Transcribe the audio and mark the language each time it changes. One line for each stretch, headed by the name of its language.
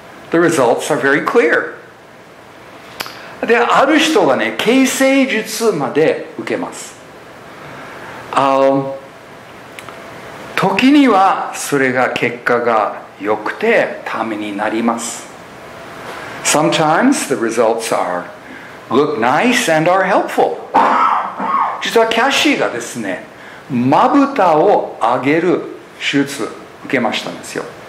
English: The results are very clear.
Japanese: で、ある人がね、形成術まで受けます。時にはそれが結果が良くてためになります。
English: Sometimes the results are look nice and are helpful.
Japanese: 実はキャシーがですね、まぶたを上げる手術受けましたんですよ。